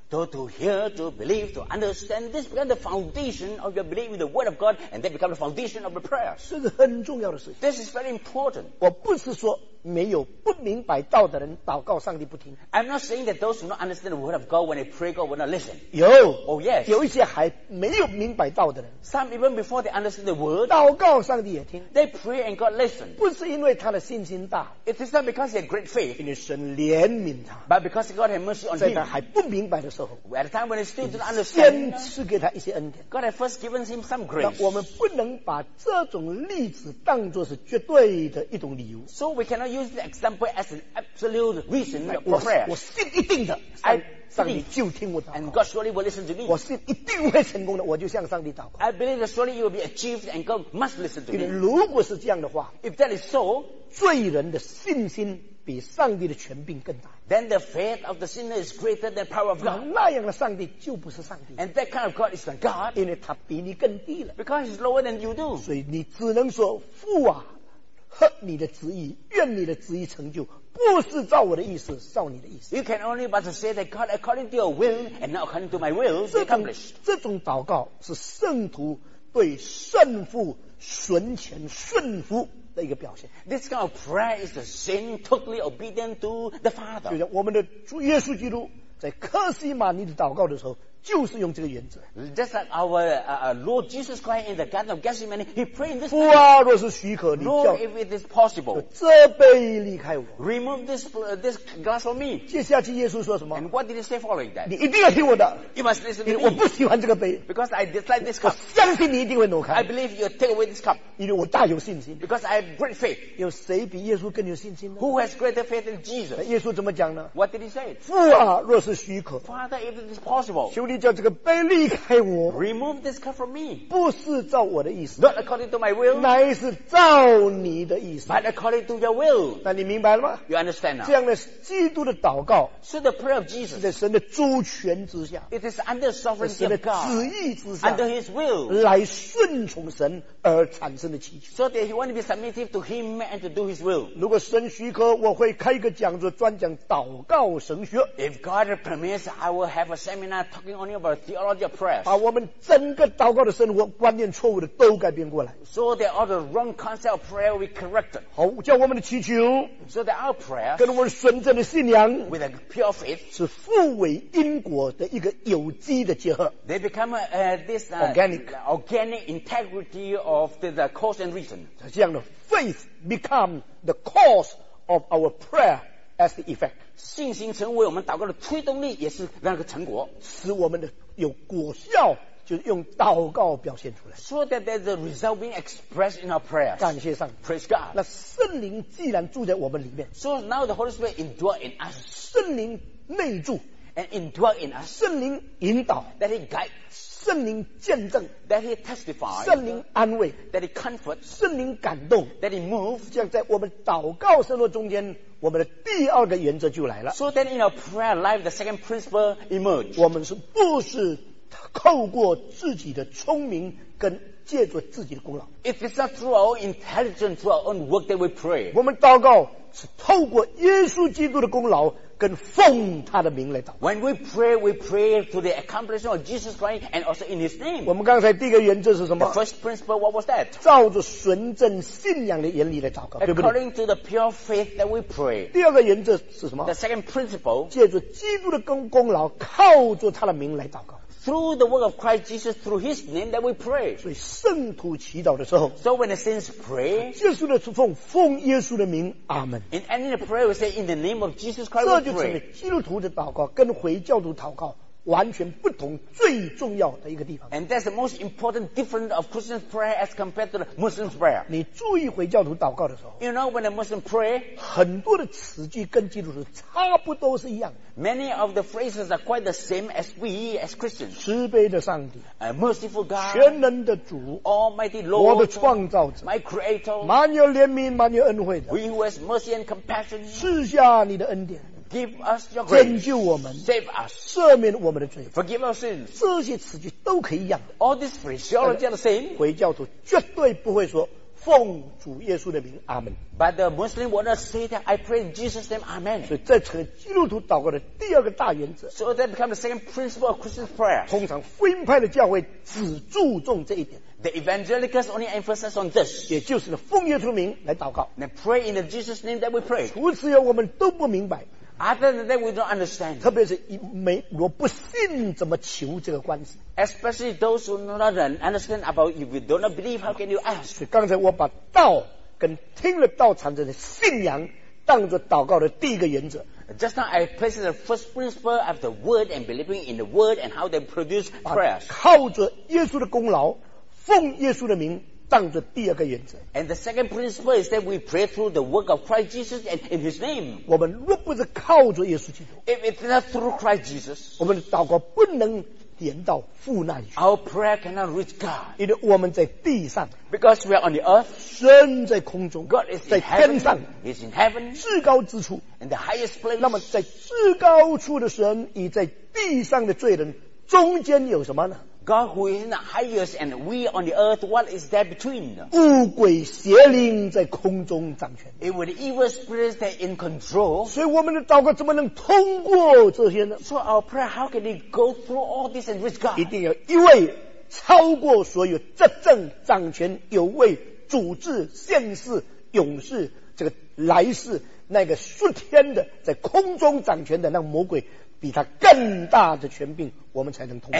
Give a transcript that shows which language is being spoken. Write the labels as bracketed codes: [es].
[en] To hear, to believe, to understand, this becomes the foundation of your belief in the word of God, and that becomes the foundation of the prayer. [zh] 是个很重要的事情。 [en] This is very important. [zh] 我不是说没有不明白道的人祷告上帝不听。 [en] I'm not saying that those who don't understand the word of God when they pray God will not listen. [zh] 有。 [en] Oh yes. [zh] 有一些还没有明白道的人。 [en] Some even before they understand the word, [zh] 祷告上帝也听。 [en] They pray and God listen. [zh] 不是因为他的信心大。 [en] It is not because he has great faith. [zh] 因为神怜悯他。 [en] But because God has mercy on him. [zh] 在他还不明白的时候。 [en] At the time when he still didn't understand, [zh] 先赐给他一些恩典。 [en] God had first given him some grace. [zh] 我们不能把这种例子当作是绝对的一种理由。 [en] So we cannot use the example as an absolute reason for prayer. [zh] 我信一定的。上帝就听我祷告 [en] and God surely will listen to me. [zh] 我是一定会成功的，我就向上帝祷告。 [en] I believe that surely you will be achieved, and God must listen to me. [zh] 如果是这样的话 [en] ，if that is so, [zh] 罪人的信心比上帝的权柄更大。 [en] Then the faith of the sinner is greater than the power of God. [zh] 那样的上帝就不是上帝。 [en] And that kind of God is not God. [zh] 因为他比你更低了。 [en] Because he's lower than you do. [zh] 所以你只能说父啊，和你的旨意，愿你的旨意成就。不是照我的意思，照你的意思。 [en] You can only but to say that God, according to your will, and not according to my will, is accomplished. [zh] 这种祷告是圣徒对圣父纯全顺服的一个表现。 [en] This kind of prayer is the saint totally obedient to the Father. [zh] 就像我们的主耶稣基督在克西马尼的祷告的时候。就是用这个原则。 [en] Just like our Lord Jesus Christ in the Garden of Gethsemane, He prayed in this. [zh] 父啊，若是许可，你叫。 [en] Lord, if it is possible, [zh] 这杯离开我。 [en] Remove this glass from me. [zh] 接下去耶稣说什么 [en] ？And what did He say following that? [zh] 你一定要听我的。 [en] You must listen to me. [zh] 我不喜欢这个杯。 [en] Because I dislike this cup. [zh] 我相信你一定会挪开。 [en] I believe you take away this cup. [zh] 因为我大有信心。 [en] Because I have great faith. [zh] 有谁比耶稣更有信心呢 [en] ？Who has greater faith than Jesus? [zh] 耶稣怎么讲呢 [en] ？What did He say? [zh] 父啊，若是许可。 [en] Father, if it is possible. [zh] 求你你叫这个杯离开我。 [en] Remove this cup from me. [zh] 不是照我的意思。 [en] Not according to my will. [zh] 乃是照你的意思。 [en] But according to your will. [zh] 那你明白了吗？ [en] You understand now. [zh] 这样的基督的祷告。 [en] So the prayer of Jesus. [zh] 是在神的主权之下。 [en] It is under sovereignty of God. [zh] 在神的旨意之下。 [en] Under his will. [zh] 来顺从神而产生的祈求。 [en] So that you want to be submissive to him and to do his will. [zh] 如果神许可，我会开一个讲座专讲祷告神学。 [en] If God permits, I will have a seminar talking only about theology of prayer. [zh] 把我们整个祷告的生活观念错误的都改变过来。 [en] So that all the wrong concept of prayer will be corrected. [zh] 好，叫我们的祈求。 [en] So that our prayer. [zh] 跟我们纯正的信仰。 [en] With a pure faith. [zh] 是互为因果的一个有机的结合。 [en] They become this organic. Organic integrity of the cause and reason. [zh] 这样的 [en] faith become the cause of our prayer as the effect. [zh] 信心成为我们祷告的推动力，也是那个成果，使我们的有果效，就是用祷告表现出来。 [en] So that there's a result being expressed in our prayers. [zh] 感谢上帝。 [en] Praise God. [zh] 那圣灵既然住在我们里面 [en] ，So now the Holy Spirit indwell in us. [zh] 圣灵内住 [en] ，and indwell in us. [zh] 圣灵引导 [en] ，that He guide. [zh] 圣灵见证 [en] ，that He testify. [zh] 圣灵安慰 [en] ，that He comfort. [zh] 圣灵感动 [en] ，that He move. [zh] 这样在我们祷告生活中间。我们的第二个原则就来了。 [en] So then in our prayer life, the second principle emerged. [zh] 我们是不是透过自己的聪明跟借助自己的功劳 [en] ？If it's not through our intelligence, through our own work that we pray. [zh] 我们祷告是透过耶稣基督的功劳跟奉他的名来祷告。 [en] When we pray to the accomplishment of Jesus Christ and also in His name. [zh] 我们刚才第一个原则是什么 [en] ？The first principle, what was that? [zh] 照着纯正信仰的原理来祷告， [en] According [zh] 对不对 [en] ？According to the pure faith that we pray. [zh] 第二个原则是什么 [en] ？The second principle. [zh] 借助基督的功劳，靠着他的名来祷告。 [en] Through the work of Christ Jesus, through His name that we pray. [zh] 所以圣徒祈祷的时候 [en] ，So when the saints pray, [zh] 耶稣的奉耶稣的名，阿门。 [en] In any prayer, we say in the name of Jesus Christ. We pray. [zh] 这就成了基督徒的祷告跟回教徒祷告完全不同，最重要的一个地方。 [en] And that's the most important difference of Christian prayer as compared to the Muslim prayer. [zh] 你注意回教徒祷告的时候 [en] ，You know when a Muslim pray, [zh] 很多的词句跟基督徒差不多是一样。 [en] Many of the phrases are quite the same as we as Christians. [zh] 慈悲的上帝 [en] ，A merciful God. [zh] 全能的主 [en] ，Almighty Lord. [zh] 我的创造者 [en] ，My Creator. [zh] 满有怜悯，满有恩惠的 [en] ，We who has mercy and compassion. [zh] 赐下你的恩典。 [en] Give us your grace. [zh] 拯救我们 [en] ，Save us. [zh] 赦免我们的罪 [en] ，Forgive our sins. [zh] 这些词句都可以一样的。 [en] All these phraseology are the same. [zh] 回教徒绝对不会说奉主耶稣的名，阿门。 [en] But the Muslim will not say that I pray in Jesus' name, Amen. [zh] 所以这成了基督徒祷告的第二个大原则。 [en] So that becomes the second principle of Christian prayer. [zh] 通常福音派的教会只注重这一点。 [en] The evangelicals only emphasize on this. [zh] 也就是奉耶稣名来祷告。 [en] And pray in the Jesus' name that we pray. [zh] 除此以外，我们都不明白。 [en] Other than that, we don't understand. [zh] 特别是没我不信怎么求这个关系。 [en] Especially those who do not understand about if you do not believe, how can you ask? [zh] 所以刚才我把道跟听了道产生的信仰当作祷告的第一个原则。 [en] Just now, I placed the first principle of the word and believing in the word and how they produce prayers. [zh] 靠着耶稣的功劳，奉耶稣的名。当作第二个原则。 [en] And the second principle is that we pray through the work of Christ Jesus and in His name. [zh] 我们若不是靠着耶稣基督 [en] ，If it's not through Christ Jesus, [zh] 我们的祷告不能连到父那里去。 [en] Our prayer cannot reach God. [zh] 因为我们在地上 [en] ，Because we are on the earth. [zh] 神在空中 [en] ，God is [zh] 在天上 [en] ，He's in heaven. [zh] 至高之处 [en] ，and the highest place. [zh] 那么在至高处的神与在地上的罪人中间有什么呢？ [en] God who is in the highest and we on the earth, what is there between? [zh] 乌鬼邪灵在空中掌权。 [en] It was the evil spirits that in control. [zh] 所以我们的祷告怎么能通过这些呢 [en] ？So our prayer, how can it go through all this and reach God? [zh] 一定要一位超过所有执政掌权，有位主治现世永世这个来世那个数天的在空中掌权的那个魔鬼。比他更大的权柄，我们才能通过。